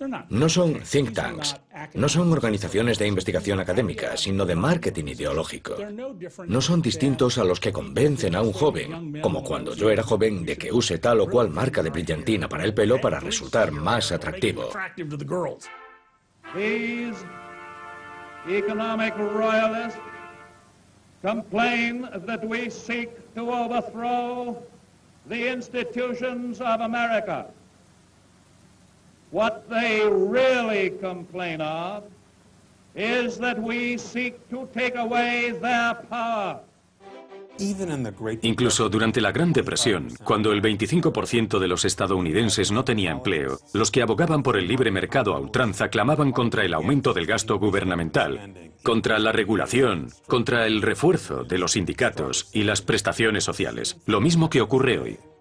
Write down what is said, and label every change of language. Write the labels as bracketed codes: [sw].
[es] No son think tanks, no son organizaciones de investigación académica, sino de marketing ideológico. No son distintos a los que convencen a un joven, como cuando yo era joven, de que use tal o cual marca de brillantina para el pelo para resultar más atractivo. [en] These economic royalists complain that we seek to overthrow the institutions of America. What they really complain of is that we seek to take away their power. [es] Incluso durante la Gran Depresión, cuando el 25% de los estadounidenses no tenía empleo, los que abogaban por el libre mercado a ultranza clamaban contra el aumento del gasto gubernamental, contra la regulación, contra el refuerzo de los sindicatos y las prestaciones sociales, lo mismo que ocurre hoy.